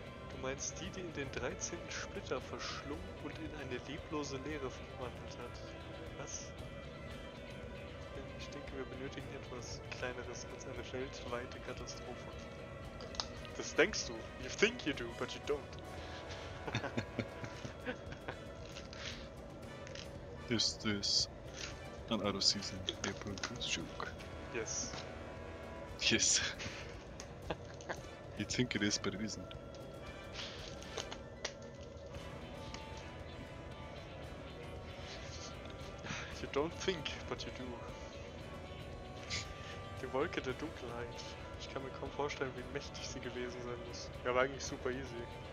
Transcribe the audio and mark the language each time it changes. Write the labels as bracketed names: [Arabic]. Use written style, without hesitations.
[German] Du meinst die, die in den 13. Splitter verschlungen und in eine leblose Leere verwandelt hat? Was? Ich denke, wir benötigen etwas Kleineres als eine weltweite Katastrophe. Das denkst du. [English] You think you do, but you don't. Is this an out of season April Fool's joke? Yes. Yes. You think it is, but it isn't. You don't think, but you do. [German] Die Wolke der Dunkelheit. Ich kann mir kaum vorstellen, wie mächtig sie gewesen sein muss. Ja, war eigentlich super easy.